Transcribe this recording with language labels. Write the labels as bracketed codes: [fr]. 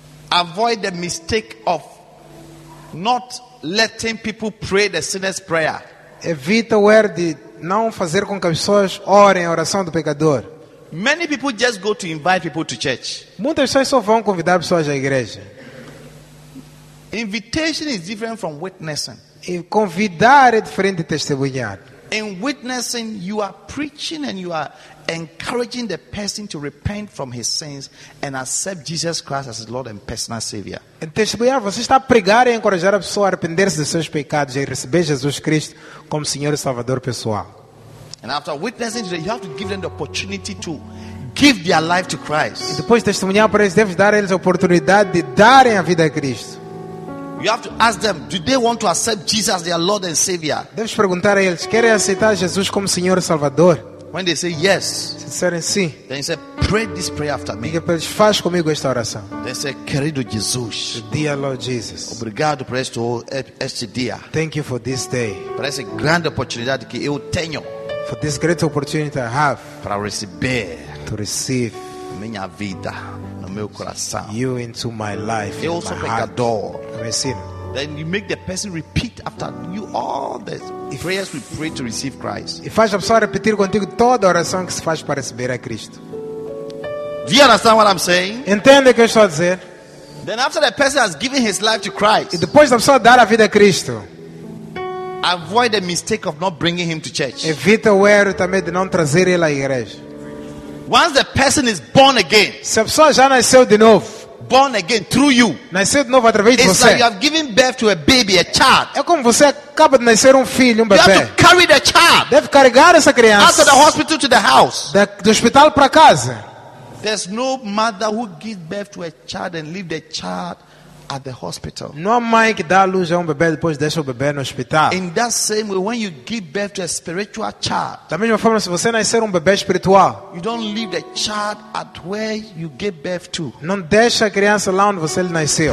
[en] Avoid the mistake of not letting people pray the sinner's prayer. [pt] Evita o erro de não fazer com que as pessoas orem a oração do pecador. [en] Many people just go to invite people to church. [pt] Muitas pessoas só vão convidar pessoas à igreja. [en] Invitation is different from witnessing. [pt] E convidar é diferente de testemunhar. [en] In witnessing, you are preaching and you are encouraging the person to repent from his sins and accept Jesus Christ as his Lord and personal Savior. [pt] Em testemunhar, você está a pregar e encorajar a pessoa a arrepender-se dos seus pecados e receber Jesus Cristo como Senhor e Salvador pessoal. [en] And after witnessing, you have to give them the opportunity to give their life to Christ. [pt] E depois de testemunhar para eles, deve dar eles a oportunidade de darem a vida a Cristo. [en] You have to ask them, do they want to accept Jesus their Lord and Savior? [pt] Deves perguntar a eles, querem aceitar Jesus como Senhor e Salvador? [en] When they say yes, [pt] se disserem sim, [en] then he said, pray this prayer after me. [pt] Diga para eles, faz comigo esta oração. [en] Then he said, [pt] querido Jesus, [en] dear Lord Jesus, [pt] obrigado por este dia. [en] Thank you for this day. [pt] Por essa grande oportunidade que eu tenho. [en] For this great opportunity I have. [pt] Para receber. [en] To receive. [pt] Minha vida. Meu coração. [en] You into my life. [pt] Eu sou pecador. [en] Receive. Then you make the person repeat after you all the prayers we pray to receive Christ. [pt] E faz a pessoa repetir contigo toda a oração que se faz para receber a Cristo. [en] Do you understand what I'm saying? [pt] Entende o que eu estou a dizer? [en] Then after the person has given his life to Christ. [pt] E depois da pessoa dar a vida a Cristo. [en] Avoid the mistake of not bringing him to church. [pt] Evita o erro também de não trazer ele à igreja. [en] Once the person is born again, [pt] se a pessoa já nasceu de novo, [en] born again through you, [pt] nasceu de novo através de [en] it's [pt] você, [en] like you have given birth to a baby, a child. [pt] É como você acaba de nascer filho, bebê. [en] You have to carry the child. [pt] Deve carregar essa criança. [en] After the hospital to the house. [pt] Do hospital para casa. [en] There's no mother who gives birth to a child and leave the child at the hospital. [pt] Não há mãe que dá luz a bebê depois deixa o bebê no hospital. [en] In that same way, when you give birth to a spiritual child, [pt] da mesma forma, se você nascer bebê espiritual, [en] you don't leave the child at where you gave birth to. [pt] Não deixa a criança lá onde você nasceu.